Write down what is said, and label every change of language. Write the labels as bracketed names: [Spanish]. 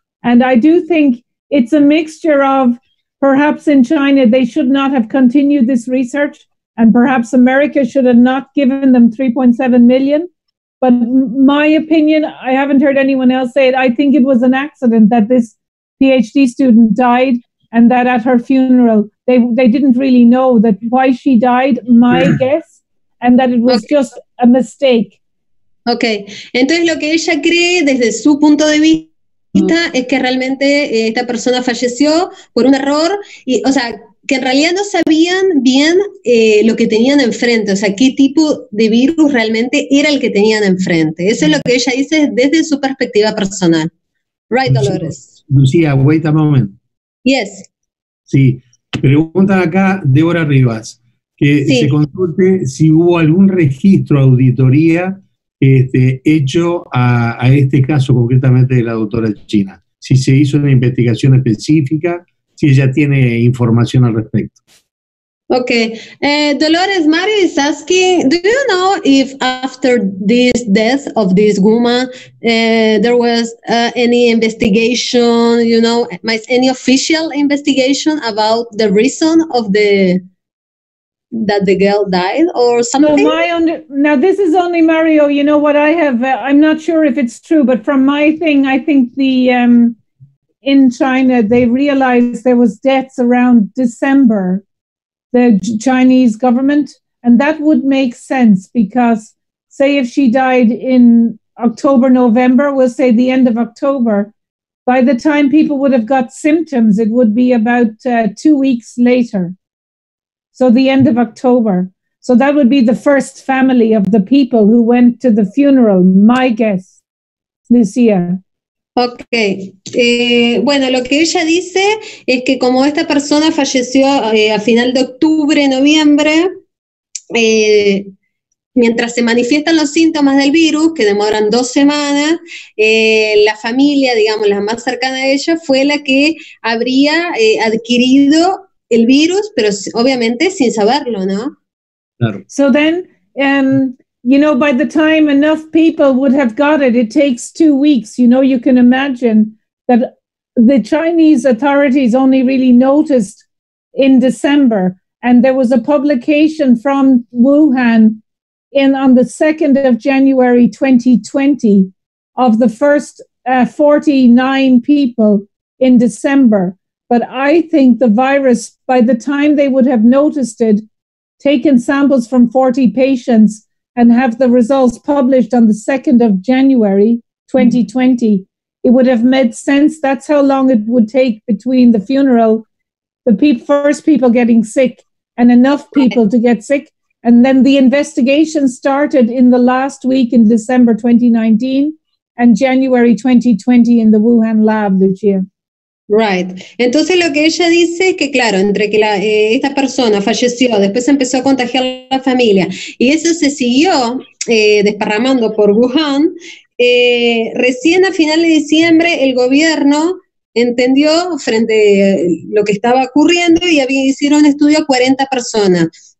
[English] And I do think it's a mixture of perhaps in China, they should not have continued this research and perhaps America should have not given them 3.7 million. But my opinion, I haven't heard anyone else say it. I think it was an accident that this PhD student died and that at her funeral, they didn't really know that why she died, my guess, and that it was just a mistake. [Spanish] Okay, entonces lo que ella cree desde su punto de vista es que realmente esta persona falleció por un error, y, o sea, que en realidad no sabían bien lo que tenían enfrente, o sea, qué tipo de virus realmente era el que tenían enfrente. Eso es lo que ella dice desde su perspectiva personal. [English] Right, Dolores. Lucía, wait a moment. Yes. [Spanish] Sí. Pregunta acá Débora Rivas, que se consulte si hubo algún registro, auditoría hecho a este caso concretamente de la doctora China. Si se hizo una investigación específica, si ella tiene información al respecto. [English] Ok. Dolores, Mario is asking, do you know if after this death of this woman, there was any investigation, you know, any official investigation about the reason of that the girl died or something? So this is only Mario, you know what I have, I'm not sure if it's true, but from my thing, I think the, in China, they realized there was deaths around December. The Chinese government, and that would make sense because, say, if she died in October, November, we'll say the end of October, by the time people would have got symptoms, it would be about 2 weeks later. So the end of October. So that would be the first family of the people who went to the funeral, my guess, Lucia. Ok. [Spanish] Bueno, lo que ella dice es que como esta persona falleció a final de octubre, noviembre, mientras se manifiestan los síntomas del virus, que demoran 2 semanas, la familia, digamos, la más cercana a ella, fue la que habría adquirido el virus, pero obviamente sin saberlo, ¿no? Claro. [English] So then, you know, by the time enough people would have got it, it takes 2 weeks. You know, you can imagine that the Chinese authorities only really noticed in December. And there was a publication from Wuhan on the 2nd of January 2020 of the first 49 people in December. But I think the virus, by the time they would have noticed it, taken samples from 40 patients and have the results published on the 2nd of January 2020, it would have made sense. That's how long it would take between the funeral, the first people getting sick, and enough people to get sick. And then the investigation started in the last week in December 2019 and January 2020 in the Wuhan lab, Lucia. Right. [Spanish] Entonces lo que ella dice es que claro, entre que esta persona falleció, después empezó a contagiar la familia, y eso se siguió desparramando por Wuhan, recién a final de diciembre el gobierno entendió frente a lo que estaba ocurriendo y hicieron un estudio a 40 personas.